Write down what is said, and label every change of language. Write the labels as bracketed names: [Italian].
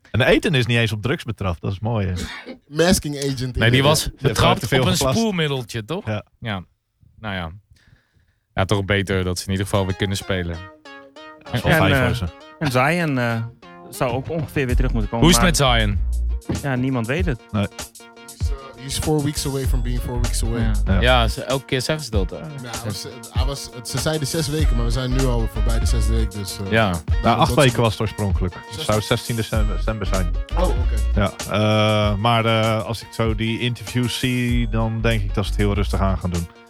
[Dutch] En Ayton is niet eens op drugs betrapt, dat is mooi. Hè? Masking agent. Nee, die was betrapt op een spoelmiddeltje, toch? Ja. Nou ja. Ja, toch beter dat ze in ieder geval weer kunnen spelen. En Zion zou ook ongeveer weer terug moeten komen. Hoe is het met Zion? Ja, niemand weet het. Nee. [English] He's 4 weeks away from being 4 weeks away. [Dutch] Ja, elke keer zeggen ze dat. Hè? Ze zeiden 6 weken, maar we zijn nu al voorbij de 6 weken. Dus, Ja, 8 weken was het oorspronkelijk. Het zou 16 december zijn. Oh, oké. Okay. Ja, maar als ik zo die interviews zie, dan denk ik dat ze het heel rustig aan gaan doen.